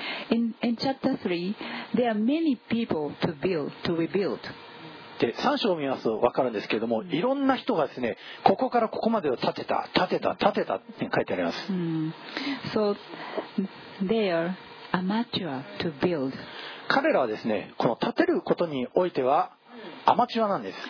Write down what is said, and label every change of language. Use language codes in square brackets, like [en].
[en] In chapter 3, there are many people to build, to rebuild. [ja] で3章を見ますと分かるんですけれども、いろんな人がですね、ここからここまでを建てたって書いてあります。 [en] So they are amateur to build. [ja] 彼らはですね、この建てることにおいてはアマチュアなんです。